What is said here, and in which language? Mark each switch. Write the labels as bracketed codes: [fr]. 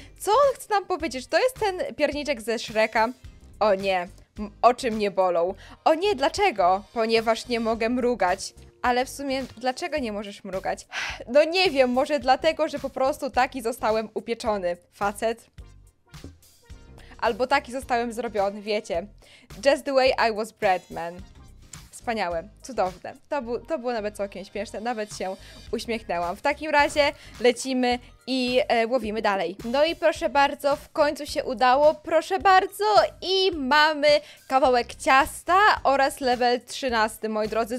[pl] Co on chce nam powiedzieć? To jest ten pierniczek ze Shreka? O nie. Oczy mnie bolą. O nie, dlaczego? Ponieważ nie mogę mrugać. Ale w sumie, dlaczego nie możesz mrugać? No nie wiem, może dlatego, że po prostu taki zostałem upieczony. Facet. Albo taki zostałem zrobiony, wiecie. [en] Just the way I was bred, man. [pl] Wspaniałe, cudowne. To było nawet całkiem śmieszne, nawet się uśmiechnęłam. W takim razie lecimy i łowimy dalej. No i proszę bardzo, w końcu się udało, proszę bardzo. I mamy kawałek ciasta oraz level 13, moi drodzy.